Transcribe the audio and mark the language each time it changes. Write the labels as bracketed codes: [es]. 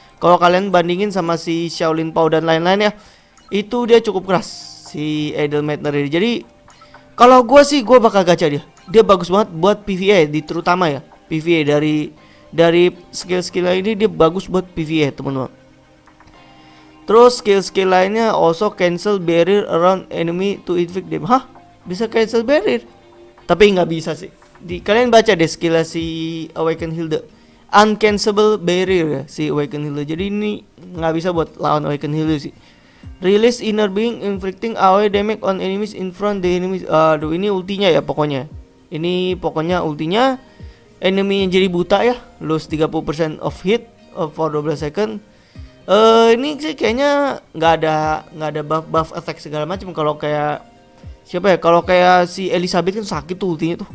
[id] Kalau kalian bandingin sama si Shaolin Pao dan lain-lain ya, itu dia cukup keras si Edel Matter ini. Jadi kalau gua sih gua bakal gacha dia. Dia bagus banget buat PvE di terutama ya. PvE dari skill-skill ini dia bagus buat PvE, teman-teman. Terus skill-skill lainnya [en] also cancel barrier around enemy to inflict them. [id] Hah? Bisa cancel barrier? Tapi nggak bisa sih. Di kalian baca deh skill-nya si Awakened Hilda. Uncancelable barrier ya si Awakened Hilda. Jadi ini nggak bisa buat lawan Awakened Hilda sih. [en] Release inner being inflicting AoE damage on enemies in front the enemies. [id] Aduh, ini ultinya ya pokoknya. Ini pokoknya ultinya enemy yang jadi buta ya. [en] Lose 30% of hit for 12 second. [id] Ini sih kayaknya enggak ada buff attack segala macam. Kalau kayak siapa ya? Kalau kayak si Elizabeth kan sakit tuh ultinya tuh.